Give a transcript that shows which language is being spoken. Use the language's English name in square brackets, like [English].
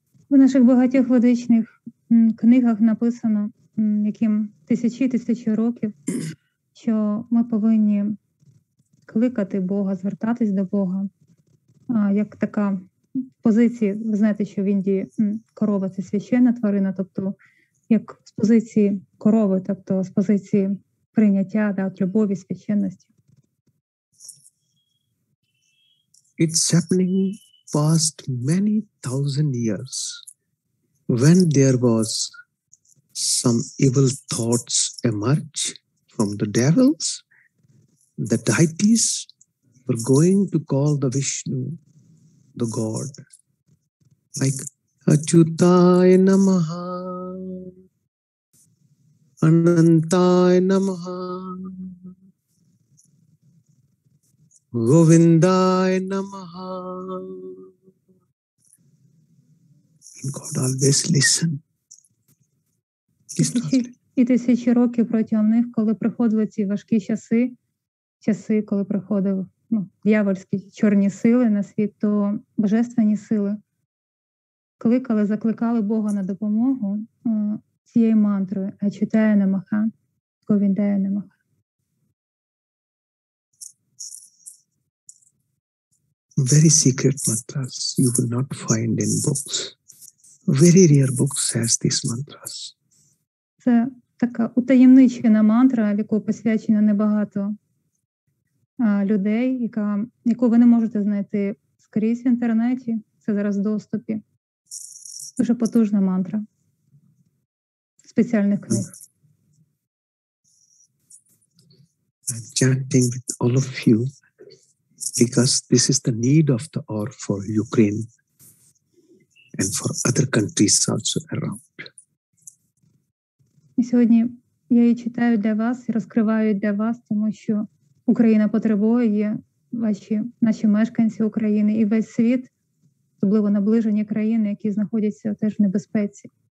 [Ukrainian] В наших багатьох ведичних книгах написано, яким тисячі років, що ми повинні кликати Бога, звертатись до Бога. А як така позиція, ви знаєте, що в Індії корова – це священна тварина, тобто як з позиції корови, тобто з позиції прийняття, да, от любові, священності. [English] It's happening past many thousand years when there was some evil thoughts emerge from the devils, the deities were going to call the Vishnu, the God, like [Sanskrit] Achyutaya Namaha. Anantai namaha. Govindai namaha. [English] And God always listen. [Ukrainian] І тисячі років протягом них, коли приходили ці важкі часи, коли приходили диявольські чорні сили на світ, то божественні сили кликали, закликали Бога на допомогу цієї мантрою, [Sanskrit] а читає намаха, говіндає намаха. [English] Very secret mantras you will not find in books. Very rare books has these mantras. [Ukrainian] Це така утаємничена мантра, в яку посвячено небагато людей, яку ви не можете знайти скрізь в інтернеті, це зараз в доступі. Дуже потужна мантра. [English] I'm chanting with all of you because this is the need of the hour for Ukraine and for other countries also around. [Ukrainian] І сьогодні я її читаю для вас і розкриваю для вас, тому що Україна потребує наші мешканці України і весь світ, особливо наближені країни, які знаходяться теж в небезпеці.